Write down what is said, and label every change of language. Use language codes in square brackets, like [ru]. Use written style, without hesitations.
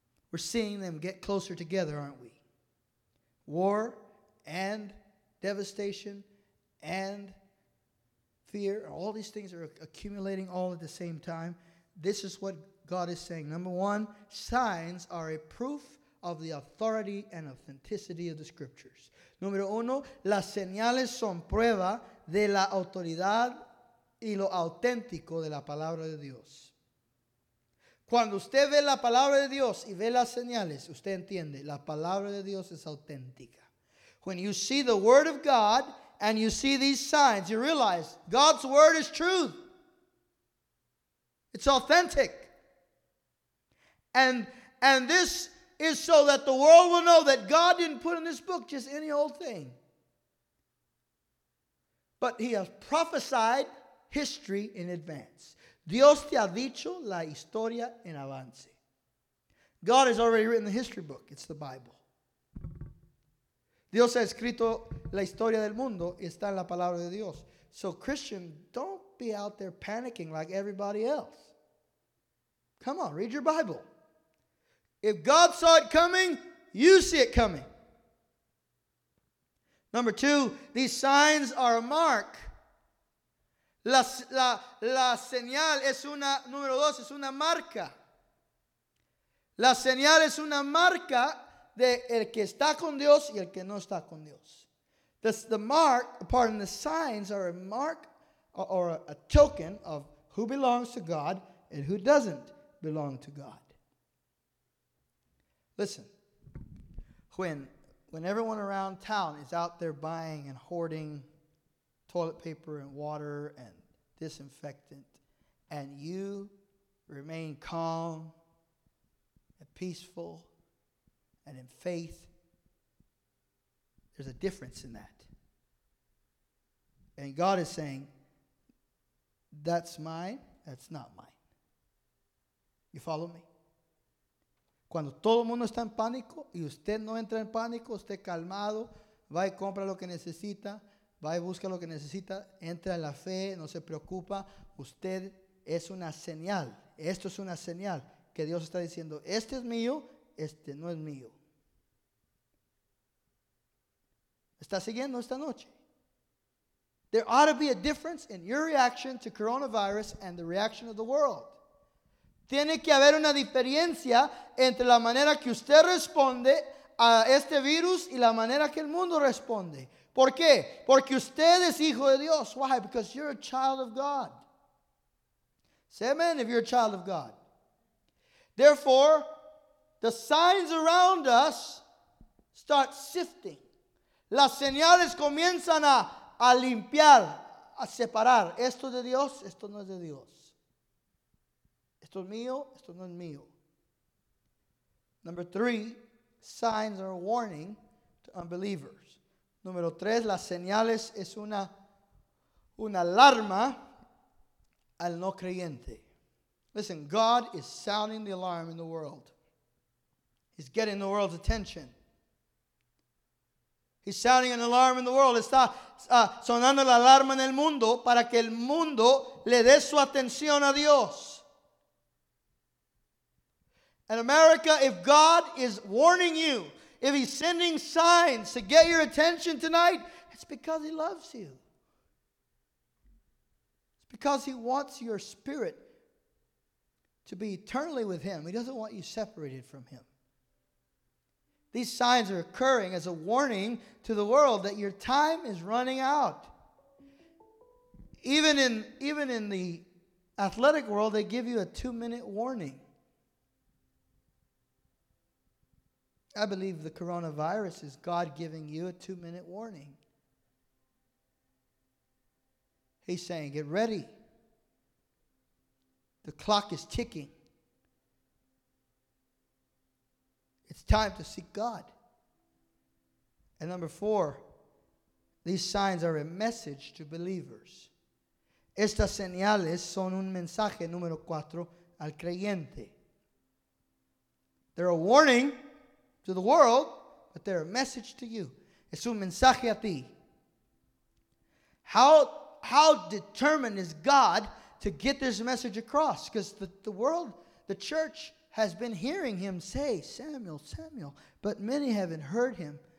[en] We're seeing them get closer together, aren't we? War and devastation and fear, all these things are accumulating all at the same time. This is what God is saying. Number one, signs are a proof of the authority and authenticity of the scriptures. [es] Número uno, las señales son prueba de la autoridad y lo auténtico de la palabra de Dios. Cuando usted ve la palabra de Dios y ve las señales, usted entiende, la palabra de Dios es auténtica. [en] When you see the word of God and you see these signs, you realize God's word is truth. It's authentic. And this is so that the world will know that God didn't put in this book just any old thing. But he has prophesied history in advance. [es] Dios te ha dicho la historia en avance. [en] God has already written the history book. It's the Bible. [es] Dios ha escrito la historia del mundo y está en la palabra de Dios. [en] So Christian, don't be out there panicking like everybody else. Come on, read your Bible. If God saw it coming, you see it coming. Number two, these signs are a mark. [es] La señal es una, número dos, es una marca. La señal es una marca de el que está con Dios y el que no está con Dios. [en] The signs are a mark or a token of who belongs to God and who doesn't belong to God. Listen, when everyone around town is out there buying and hoarding toilet paper and water and disinfectant, and you remain calm and peaceful and in faith, there's a difference in that. And God is saying, that's mine, that's not mine. You follow me? [es] Cuando todo el mundo está en pánico y usted no entra en pánico, usted calmado, va y compra lo que necesita, va y busca lo que necesita, entra en la fe, no se preocupa, usted es una señal. Esto es una señal que Dios está diciendo, este es mío, este no es mío. ¿Está siguiendo esta noche? [en] There ought to be a difference in your reaction to coronavirus and the reaction of the world. [es] Tiene que haber una diferencia entre la manera que usted responde a este virus y la manera que el mundo responde. ¿Por qué? Porque usted es hijo de Dios. [en] Why? Because you're a child of God. Say amen if you're a child of God. Therefore, the signs around us start sifting. [es] Las señales comienzan a limpiar, a separar. Esto es de Dios, esto no es de Dios. Esto es mío, esto no es mío. [en] Number three, signs are a warning to unbelievers. [es] Número tres, las señales es una alarma al no creyente. [en] Listen, God is sounding the alarm in the world. He's getting the world's attention. He's sounding an alarm in the world. [es] Está sonando la alarma en el mundo para que el mundo le dé su atención a Dios. [en] And America, if God is warning you, if he's sending signs to get your attention tonight, it's because he loves you. It's because he wants your spirit to be eternally with him. He doesn't want you separated from him. These signs are occurring as a warning to the world that your time is running out. Even in the athletic world, they give you a 2-minute warning. I believe the coronavirus is God giving you a 2-minute warning. He's saying, get ready. The clock is ticking. It's time to seek God. And number four, these signs are a message to believers. [es] Estas señales son un mensaje, número cuatro, al creyente. [en] They're a warning to the world, but they're a message to you. [es] Es un mensaje a ti. [en] How determined is God to get this message across? Because the world, the church, has been hearing him say, Samuel, Samuel, but many haven't heard him.